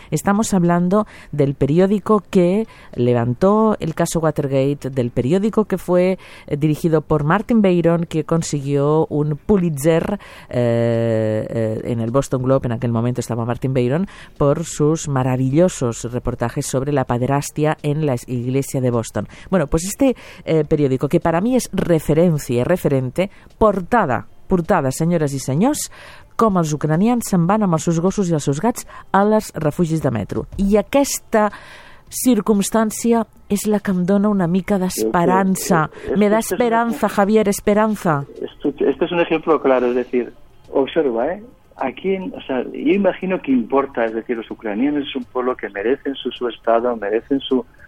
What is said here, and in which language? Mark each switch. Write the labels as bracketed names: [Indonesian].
[Spanish] Estamos hablando del periódico que levantó el caso Watergate, del periódico que fue dirigido por Martin Baron, que consiguió un Pulitzer en el Boston Globe. En aquel momento estaba Martin Baron, por sus maravillosos reportajes sobre la pederastia en la iglesia de Boston. Bueno, pues este periódico, que para mí es referencia, referente, portada, [Catalan] senyores i senyors, com els ucranians se'n van amb els seus gossos i els seus gats a les refugis de metro. I aquesta circumstància és la que em dona una mica d'esperança. [Spanish] Me da esperanza, Javier, esperanza. Este es un ejemplo claro, es decir, observa, ¿eh? Yo imagino que importa, es decir, los ucranianos es un pueblo que merecen su estado, merecen su...